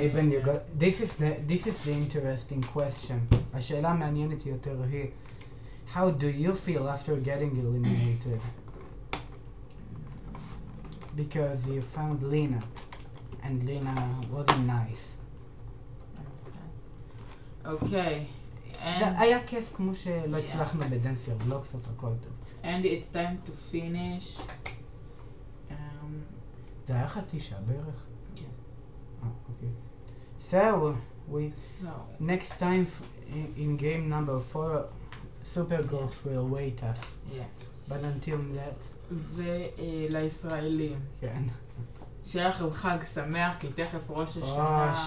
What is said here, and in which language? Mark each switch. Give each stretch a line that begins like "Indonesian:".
English: Even you got this is the interesting question.
Hebrew: השאלה מעניינת יותר היא,
English: how do you feel after getting eliminated? Because you found Lena, and Lena wasn't nice. Okay.
Hebrew: זה היה כיף כמו שלא הצלחנו בדנסיר בלוקס אז הכל טוב.
English: And it's time to finish.
Hebrew: זה היה חצי שעה בערך? כן.
English: So, next time in game number 4, Supergirls will wait us. Yeah. But until that...
Hebrew: ולישראלים. כן. שיהיה לכם חג שמח, כי תכף ראש השנה.